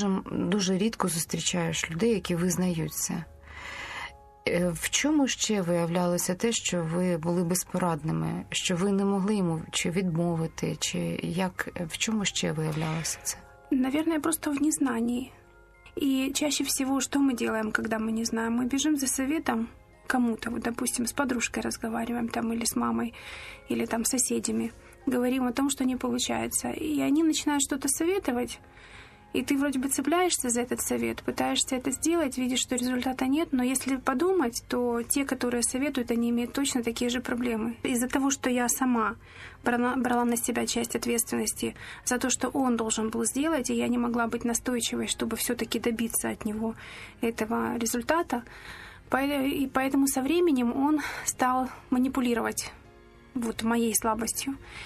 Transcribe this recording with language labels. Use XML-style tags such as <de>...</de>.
<uk>Дуже рідко зустрічаєш людей, які визнаються. В чому ще виявлялося те, що ви були безпорадними, що ви не могли йому чи відмовити, чи як, в чому ще виявлялося це?</uk> <ru>Наверное, просто в незнании.</ru> <uk>І</uk> <ru>чаще всего,</ru> <uk>що ми робимо, коли ми не знаємо? Ми біжимо за советом</uk> <ru>кому-то, вот, допустим,</ru> <uk>з подружкою розмовляємо, там,</uk> <ru>или з мамою, или там</ru> <uk>з сусідами. Говоримо</uk> <ru>о том,</ru> <uk>що не виходить. І вони починають щось советувати.</uk> <ru>И ты вроде бы цепляешься за этот совет, пытаешься это сделать, видишь, что результата нет. Но если подумать, то те, которые советуют, они имеют точно такие же проблемы. Из-за того, что я сама брала на себя часть ответственности за то, что он должен был сделать, и я не могла быть настойчивой, чтобы все-таки добиться от него этого результата, и поэтому со временем он стал манипулировать вот моей слабостью.</ru>